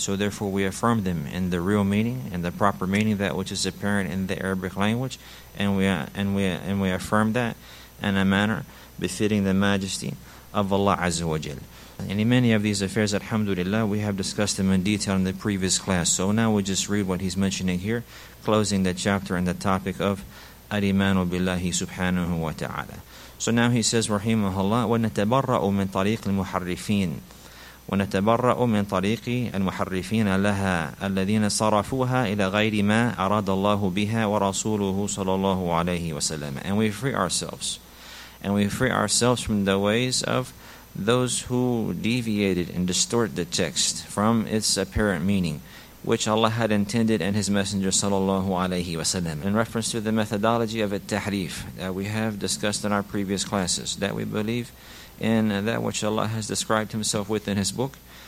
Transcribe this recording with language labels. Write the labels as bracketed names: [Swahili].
[English] So therefore we affirm them in the real meaning, in the proper meaning, that which is apparent in the Arabic language, and we affirm that in a manner befitting the majesty of Allah Azza wa Jal. And in many of these affairs, alhamdulillah, we have discussed them in detail in the previous class. So now we'll just read what he's mentioning here, closing the chapter and the topic of Al-Imanu Billahi Subhanahu wa Ta'ala. So now he says, [Arabic] Rahimahullah, وَنَتَبَرَّأُ مِنْ طَرِيقِ الْمُحَرِّفِينَ وَنَتَبَرَّأُ مِنْ طَرِيقِ الْمُحَرِّفِينَ لَهَا الَّذِينَ صَرَفُوهَا إِلَى غَيْرِ مَا أَرَادَ اللَّهُ بِهَا وَرَسُولُهُ صَلَى اللَّهُ عَلَيْهِ وَسَلَّمَ. [English] And we free ourselves. And we free ourselves from the ways of those who deviated and distort the text from its apparent meaning, which Allah had intended and His Messenger sallallahu alayhi wa sallam. In reference to the methodology of at-tahrif that we have discussed in our previous classes, that we believe in that which Allah has described Himself with in His book,